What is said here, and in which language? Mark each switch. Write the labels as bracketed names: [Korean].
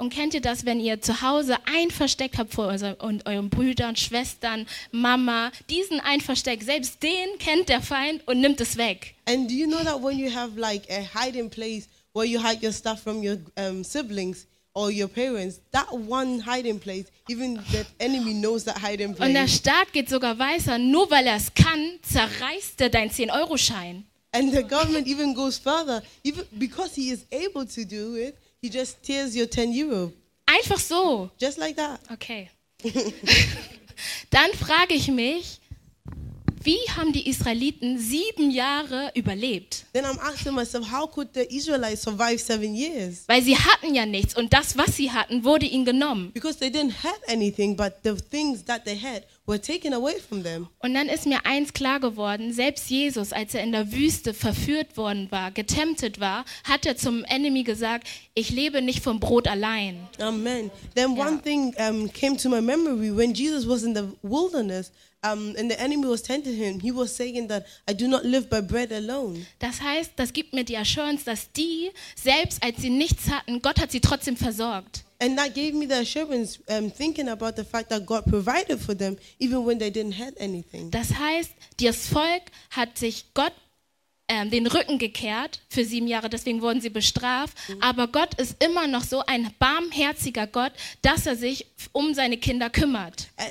[German] Und kennt ihr das, wenn ihr zu Hause ein Versteck habt vor euren Brüdern, Schwestern, Mama, diesen ein Versteck, selbst den kennt der Feind und nimmt es weg. [English] And do you know that when you have like a hiding place where you hide your stuff from your siblings or your parents, that one hiding place, even the enemy knows that hiding place. [German] Und der Staat geht sogar weiter, nur weil er es kann, zerreißt er deinen 10-Euro-Schein. [English] And the government even goes further, even because he is able to do it, he just tears your 10 euro. [German] Einfach so. [English] Just like that. Okay. [German] Dann frage ich mich, wie haben die Israeliten 7 Jahre überlebt? [English] Then I'm asking myself, how could the Israelites survive 7 years? [German] Weil sie hatten ja nichts und das, was sie hatten, wurde ihnen genommen. [English] Because they didn't have anything, but the things that they had were taken away from them. [German] Und dann ist mir eins klar geworden, selbst Jesus, als er in der Wüste verführt worden war, getemptet war, hat er zum Enemy gesagt, ich lebe nicht vom Brot allein. Amen. [English] Then one thing came to my memory, when Jesus was in the wilderness, and the enemy was tempting him, he was saying that I do not live by bread alone. [German] Das heißt, das gibt mir die Assurance, dass die, selbst als sie nichts hatten, Gott hat sie trotzdem versorgt. [English] And that gave me the assurance, thinking about the fact that God provided for them, even when they didn't have anything. [German] Das heißt, das Volk hat sich Gott den Rücken gekehrt für 7 Jahre, deswegen wurden sie bestraft. Aber Gott ist immer noch so ein barmherziger Gott, dass er sich um seine Kinder kümmert.